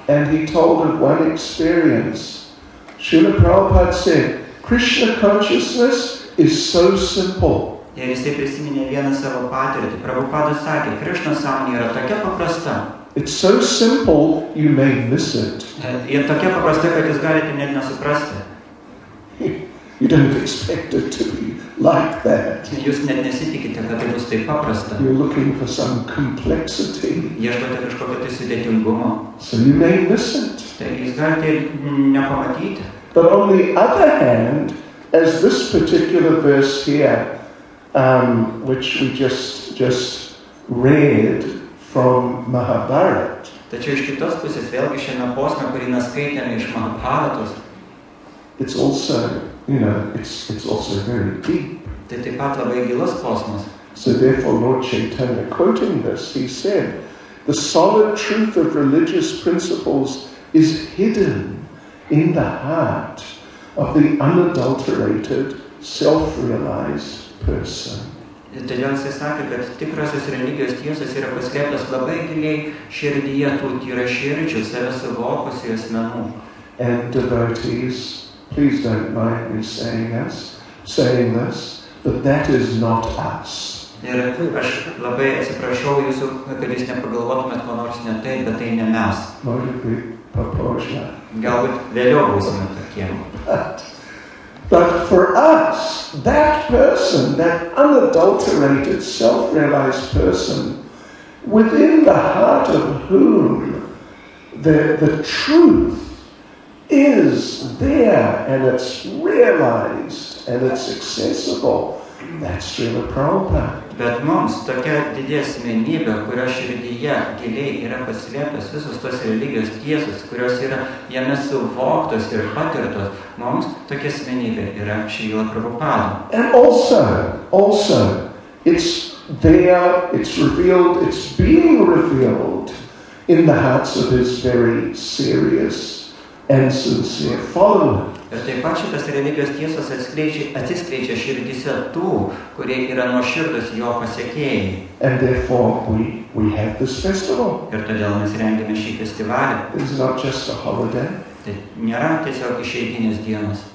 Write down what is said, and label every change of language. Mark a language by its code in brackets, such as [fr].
[en] And he told of one experience. Srila Prabhupada said, Krishna consciousness is so simple. [lt] Ir jis taip prisiminė vieną savo patirtį. Prabhupada sakė, Krishna sąmonė yra tokia paprasta. [en] It's so simple, you may miss it. [lt] Ir tokia paprasta, kad jūs galite net nesuprasti. [en] You don't expect it to be like that. [lt] Jūs net nesitikite, kad tai bus taip paprasta. [en] You're looking for some complexity. [lt] Ieškote kažkokio tai sudėtingumo. [en] So you may miss it. [lt] Taigi jūs galite nepamatyti. [en] But on the other hand, as this particular verse here, which we just read from Mahabharat. [lt] Tačiau iš kitos pusės vėlgi šiame posme, kurį mes skaitėme iš Mahabharatos. [en] It's also, you know, it's also very deep. [lt] Tai taip pat labai gilus posmas. [en] So therefore Lord Chaitanya, quoting this, he said, the solid truth of religious principles is hidden in the heart of the unadulterated, self-realized person. [lt] Todėl jis sakė, kad tikrosios religijos tiesos yra paslėptos labai giliai širdyje tų tyraširdžių, save suvokusių asmenų. [en] And devotees, please don't mind me saying this, but that is not us. [lt] Ir aš labai atsiprašau jūsų, kad jūs nepagalvotumėt ko nors ne tai, bet tai ne mes. Galbūt vėliau būsime tokie. [en] But for us, that person, that unadulterated, self-realized person, within the heart of whom the truth is there and it's realized and it's accessible, that's Srila Prabhupada. [lt] Bet mums tokia didė asmenybė, kurio širdyje giliai yra paslėptos visos tos religijos tiesos, kurios yra jame suvoktos ir patirtos, mums tokia asmenybė yra Srila Prabhupada. [en] And also, it's there, it's revealed, it's being revealed in the hearts of his very serious and sincere followers. [lt] Ir taip pat šitas religijos tiesos atsiskleidžia širdyse tų, kurie yra nuoširdus jo pasiekėjai. [en] And therefore we have this festival. [lt] Ir todėl mes rengiame šį festivalį. [en] It's not just a holiday. [lt] Tai nėra tiesiog išeiginės dienos.